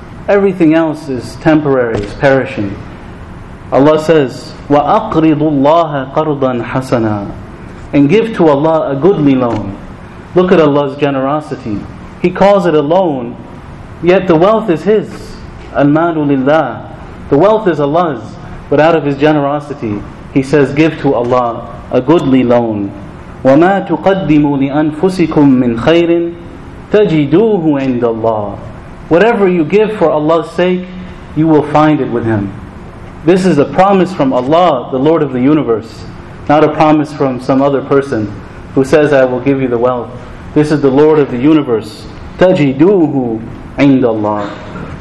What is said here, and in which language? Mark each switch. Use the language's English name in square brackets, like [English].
[English] Everything else is temporary, is perishing. Allah says, [Arabic] وَأَقْرِضُ اللَّهَ قَرْضًا حَسَنًا [English] And give to Allah a goodly loan. Look at Allah's generosity. He calls it a loan, yet the wealth is His. [Arabic] Al-malu lillah, [English] the wealth is Allah's, but out of His generosity, He says, give to Allah a goodly loan. [Arabic] وما تقدموا لأنفسكم من خير تجدوه عند الله. [English] Whatever you give for Allah's sake, you will find it with Him. This is a promise from Allah, the Lord of the universe, not a promise from some other person who says, I will give you the wealth. This is the Lord of the universe. [Arabic] تَجِدُوهُ عِنْدَ اللَّهِ.